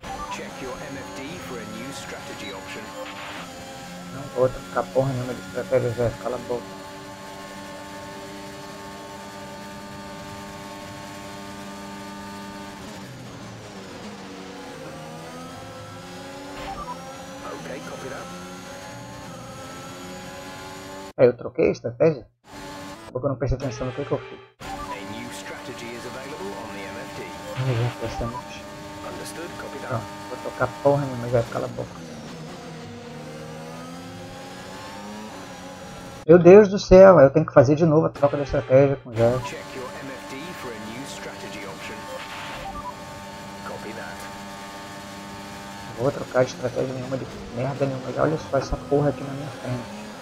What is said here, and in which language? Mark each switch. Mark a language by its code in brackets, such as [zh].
[en] Check your MFD for a new strategy option. [pt] Não vou trocar porra nenhuma de estratégia, Zé. Cala a boca. [en] Ok, copy that. [pt] Aí eu troquei a estratégia? Porque eu não prestei atenção no que eu fiz. [en] A new strategy is available on the MFD. Understood, copy that. [pt] Vou tocar porra nenhuma, mas vai ficar na boca. Meu Deus do céu, eu tenho que fazer de novo a troca da estratégia com o Zé. [en] Check your MFD for a new strategy option. Copy that. [pt] Não vou trocar de estratégia nenhuma de merda nenhuma, mas olha só essa porra aqui na minha frente.